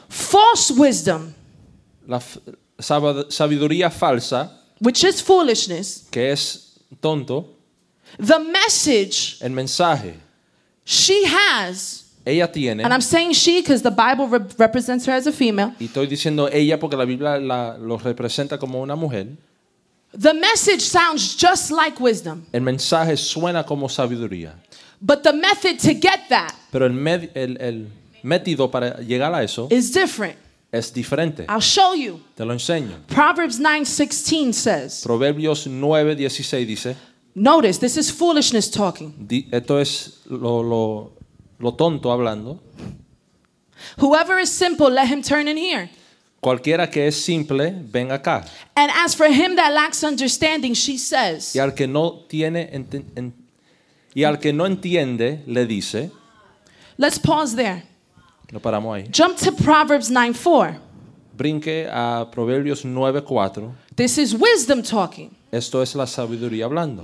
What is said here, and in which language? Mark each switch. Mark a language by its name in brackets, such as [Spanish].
[English] False wisdom. [Spanish] La sabiduría falsa. [English] Which is foolishness. [Spanish] Que es tonto. [English] The message. [Spanish] El mensaje. [English] She has. [Spanish] Ella tiene. [English] And I'm saying she because the Bible represents her as a female. [Spanish] Y estoy diciendo ella porque la Biblia lo representa como una mujer. [English] The message sounds just like wisdom. [Spanish] El mensaje suena como sabiduría. [English] But the method to get that. [Spanish] Pero el método para llegar a eso. [English] Is different. [Spanish] Es diferente. [English] I'll show you. [Spanish] Te lo enseño. [English] Proverbs 9:16 says. [Spanish] Proverbios 9:16 dice. [English] Notice, this is foolishness talking. [Spanish] Esto es lo tonto hablando. [English] Whoever is simple, let him turn and hear. [Spanish] Cualquiera que es simple, ven acá. [English] And as for him that lacks understanding, she says. [Spanish] Y al que no tiene y al que no entiende, le dice. [English] Let's pause there. [Spanish] Lo paramos ahí. [English] Jump to Proverbs 9:4. [Spanish] Brinque a Proverbios 9:4. [English] This is wisdom talking. [Spanish] Esto es la sabiduría hablando.